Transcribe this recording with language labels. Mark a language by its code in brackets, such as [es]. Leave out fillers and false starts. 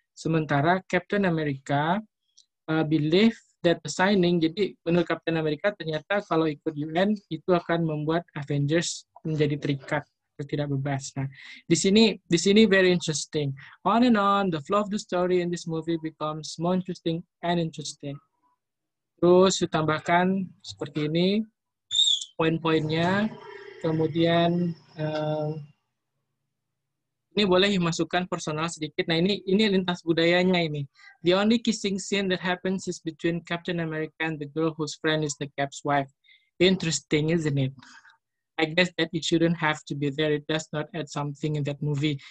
[id] Sementara Captain America [en] believe that the signing, [id] jadi menurut Captain America ternyata kalau ikut UN itu akan membuat Avengers menjadi terikat, tidak bebas. Nah, di sini [en] very interesting. On and on, the flow of the story in this movie becomes more interesting and interesting. [id] Terus ditambahkan seperti ini poin-poinnya. Kemudian ini boleh dimasukkan personal sedikit. Nah, ini lintas budayanya ini. [en] The only kissing scene that happens is between Captain America and the girl whose friend is the Cap's wife. Interesting, isn't it? I guess that it shouldn't have to be there. It does not add something in that movie.